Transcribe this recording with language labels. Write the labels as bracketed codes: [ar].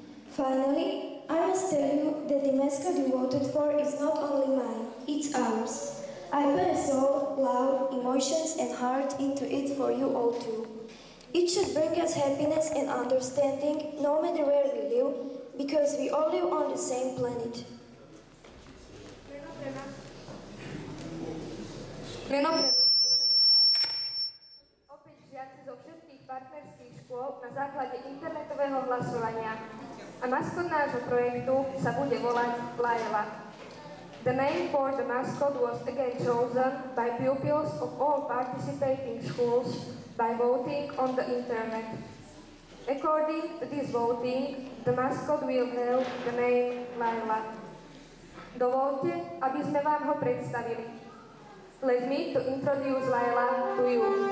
[en] Finally, I must tell you that the mascot you voted for is not only mine, it's ours. I put a soul, love, emotions and heart into it for you all too. It should bring us happiness and understanding, no matter where we live, because we all live on the same planet. [sk] Opäť žiaci zo všetkých partnerských škôl na základe internetového hlasovania. A maskot nášho projektu sa bude volať Laila. [en] The name for the mascot was again chosen by pupils of all participating schools by voting on the internet. According to this voting, the mascot will have the name Laila. [sk] Dovolte, aby sme vám ho predstavili. [en] Let me to introduce Laila to you.